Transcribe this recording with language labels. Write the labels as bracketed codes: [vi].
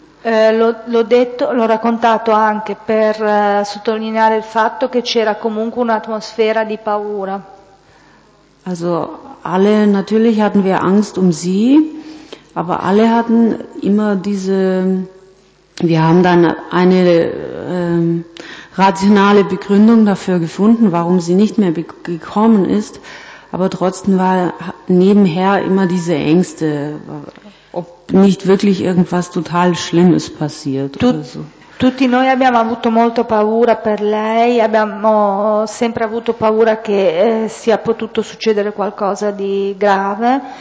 [it] L'ho raccontato anche per sottolineare il fatto che c'era comunque un'atmosfera di paura. [de] Also alle, natürlich hatten wir Angst um sie, aber alle hatten immer diese, wir haben dann eine rationale Begründung dafür gefunden, warum sie nicht mehr gekommen ist, aber trotzdem war nebenher immer diese Ängste, ob nicht wirklich irgendwas total Schlimmes passiert oder so. [it] Tutti noi abbiamo avuto molto paura per lei, abbiamo sempre avuto paura che sia potuto succedere qualcosa di grave.